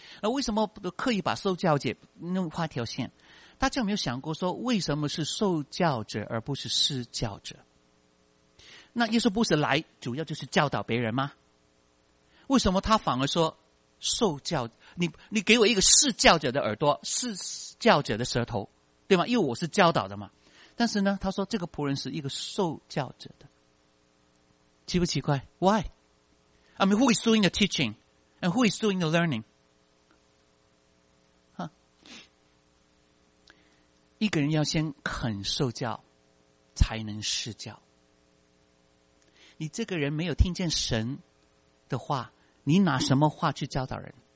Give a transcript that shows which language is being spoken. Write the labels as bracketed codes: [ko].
[zh] 那为什么刻意把受教者弄画条线？大家有没有想过说，为什么是受教者而不是施教者？那耶稣不是来主要就是教导别人吗？为什么他反而说受教？你给我一个施教者的耳朵，施教者的舌头，对吗？因为我是教导的嘛。 [en] 但是呢，他说这个仆人是一个受教者的，奇不奇怪 ？ Why？ I mean, who is doing the teaching and who is doing the learning？ [zh] 哈，一个人要先肯受教，才能施教。你这个人没有听见神的话，你拿什么话去教导人？